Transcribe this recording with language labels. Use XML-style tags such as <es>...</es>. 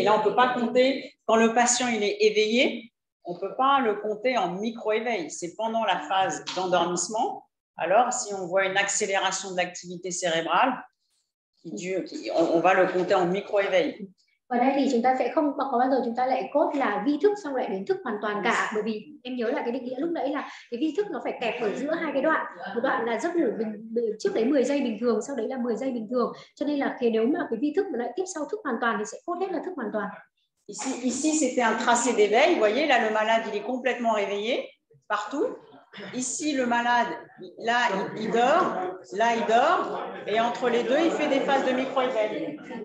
<fr>Et là, on peut pas compter quand le patient il est éveillé. On peut pas le compter en micro éveil. C'est pendant la phase d'endormissement. Alors, si on voit une accélération de l'activité cérébrale, on va le compter en micro éveil.</fr> <vi>Ở đây thì chúng ta sẽ không có bao giờ chúng ta lại cốt là vi thức xong lại đến thức hoàn toàn cả, bởi vì em nhớ là cái định nghĩa lúc nãy là cái vi thức nó phải kẹp ở giữa hai cái đoạn, một đoạn là giấc ngủ trước đấy 10 giây bình thường, sau đấy là 10 giây bình thường, cho nên là khi nếu mà cái vi thức mà lại tiếp sau thức hoàn toàn thì sẽ cốt hết là thức hoàn toàn.</vi> <fr>Ici c'était un tracé d'éveil, voyez là le malade il est complètement réveillé partout. Ici le malade là il dort et entre les deux il fait des phases de micro éveil.</fr>